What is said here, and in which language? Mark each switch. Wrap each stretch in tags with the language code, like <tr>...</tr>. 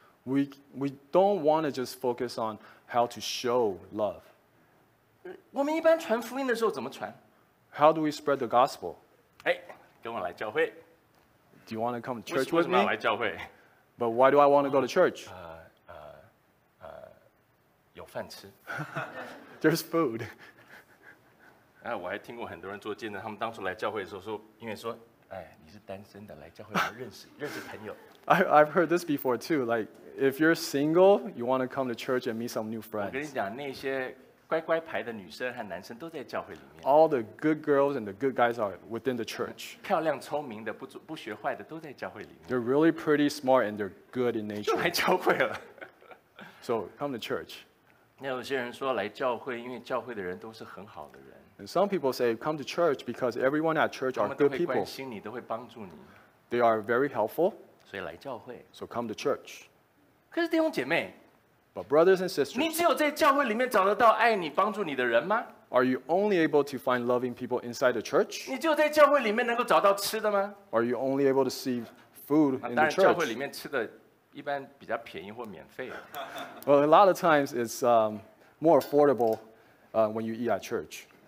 <en>We don't want to just focus on how to show love.</en> <zh>我们一般传福音的时候怎么传?</zh> <en>How do we spread the gospel?</en> <zh>哎，跟我来教会。</zh> <en>Do you want to come to church with me?</en> <zh>为什么要来教会?</zh> <en>But why do I want to go to church?</en> <zh>有饭吃。</zh> <en>There's food.</en> <zh>我还听过很多人做见证,他们当初来教会的时候说,因为说,哎,你是单身的,来教会来认识朋友。</zh> <en>I've heard this before too, like, if you're single, you want to come to church and meet some new friends.</en> <zh>我跟你讲,那些乖乖牌的女生和男生都在教会里面。</zh> <en>All the good girls and the good guys are within the church.</en> <zh>漂亮聪明的不学坏的都在教会里面。</zh> <en>They're really pretty smart and they're good in nature.</en> <zh>就来教会了。</zh> <en>So come to church.</en> <zh>那有些人说来教会，因为教会的人都是很好的人。</zh> <en>And some people say come to church because everyone at church are good people.</en> <zh>他们都会关心你，都会帮助你。</zh> <en>They are very helpful.</en> <zh>所以来教会。</zh> <en>So come to church.</en> <zh>可是弟兄姐妹。</zh> <en>But brothers and sisters,</en> <zh>你只有在教会里面找得到爱你帮助你的人吗？</zh> <en>Are you only able to find loving people inside the church?</en> <zh>你只有在教会里面能够找到吃的吗？</zh> <en>Are you only able to see food in the church?</en> <zh>当然，教会里面吃的一般比较便宜或免费。</zh> <en>Well, a lot of times it's more affordable when you eat at church.</en>